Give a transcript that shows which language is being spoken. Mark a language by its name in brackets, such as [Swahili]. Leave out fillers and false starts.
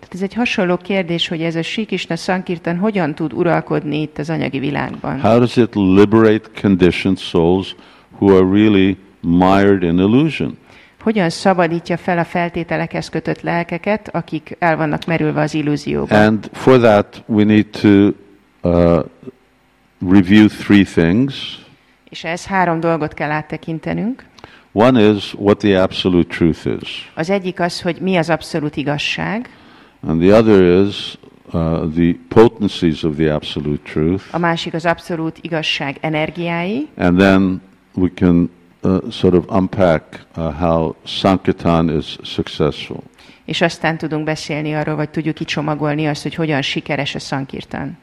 [Hungarian] Tehát ez egy hasonló kérdés, hogy ez a Sri Krishna Sankirtan hogyan tud uralkodni itt az anyagi világban? [English] How does it liberate conditioned souls who are really mired in illusion? [Hungarian] Hogyan szabadítja fel a feltételekhez kötött lelkeket, akik el vannak merülve az illúzióban? [English] And for that we need to review three things. [Hungarian] És ez három dolgot kell áttekintenünk. [English] One is what the absolute truth is. [Hungarian] Az egyik az, hogy mi az abszolút igazság. [English] And the other is the potencies of the absolute truth. [Hungarian] A másik az abszolút igazság energiái. [English] And then we can sort of unpack how Sankirtan is successful. [Hungarian] És aztán tudunk beszélni arról, vagy tudjuk kicsomagolni azt, hogy hogyan sikeres a Sankirtan.